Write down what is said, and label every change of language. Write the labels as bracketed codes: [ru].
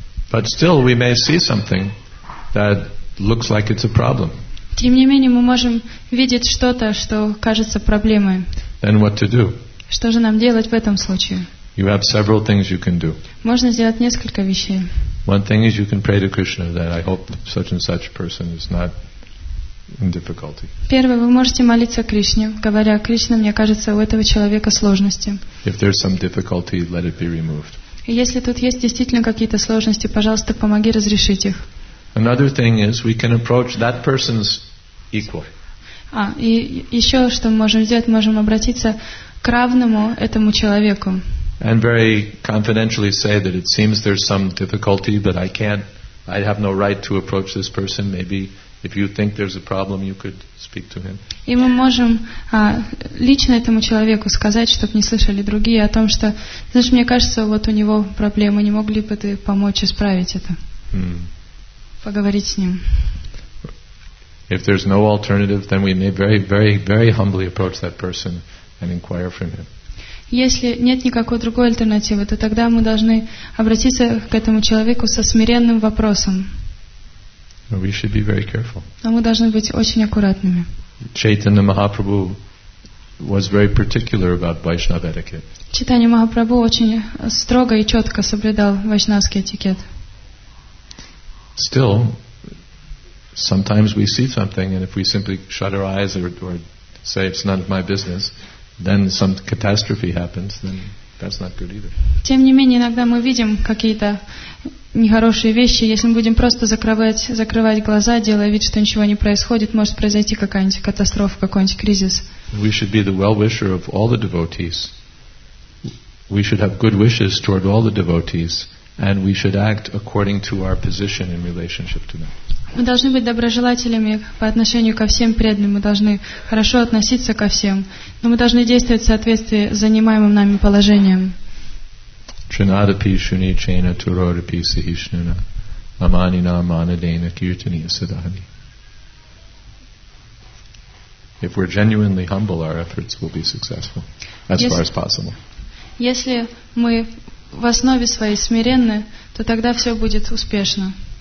[en] But still, we may see something that looks like it's a problem. [ru] Тем не менее, мы можем видеть что-то, что кажется проблемой. [en] Then what to do? [ru] Что же нам делать в этом случае? [en] You have several things you can do. [ru] Можно сделать несколько вещей. [en] One thing is you can pray to Krishna that I hope such and such person is not in difficulty. [ru] Первое, вы можете молиться Кришне, говоря: Кришна, мне кажется, у этого человека сложности. [en] If there's some difficulty, let it be removed. [ru] Если тут есть действительно какие-то сложности, пожалуйста, помоги разрешить их. [en] Another thing is we can approach that person's equal. [ru] И еще что мы можем сделать, мы можем обратиться к равному этому человеку. [en] And very confidentially say that it seems there's some difficulty, but I have no right to approach this person. Maybe if you think there's a problem, you could speak to him. [ru] И мы можем лично этому человеку сказать, чтобы не слышали другие о том, что, знаешь, мне кажется, вот у него проблемы, не могли бы ты помочь исправить это? Поговорить с ним. [en] If there's no alternative, then we may very, very, very humbly approach that person and inquire from him. [ru] Если нет никакой другой альтернативы, то тогда мы должны обратиться к этому человеку со смиренным вопросом. [en] We should be very careful. [ru] Но мы должны быть очень аккуратными. [en] Chaitanya Mahaprabhu was very particular about Vaishnava etiquette. [ru] Chaitanya Mahaprabhu очень строго и четко соблюдал вайшнавский этикет. [en] Still, sometimes we see something, and if we simply shut our eyes or say it's none of my business, then some catastrophe happens. Then that's not good either. [ru] Тем не менее, иногда мы видим какие-то нехорошие вещи. Если мы будем просто закрывать глаза, делая вид, что ничего не происходит, может произойти какая-нибудь катастрофа, какой-нибудь кризис. [en] We should be the well-wisher of all the devotees. We should have good wishes toward all the devotees. And we should act according to our position in relationship to them. [ru] Мы должны быть доброжелателями по отношению ко всем преданным. Мы должны хорошо относиться ко всем. Но мы должны действовать в соответствии с занимаемым нами положением. [sa] Trinadapi shuni chena turadapi sahishnuna amani na manadena kirtani sadhani. [en] If we're genuinely humble, our efforts will be successful, as far as possible. [ru] Если мы в основе своей смиренны, то тогда все будет успешно.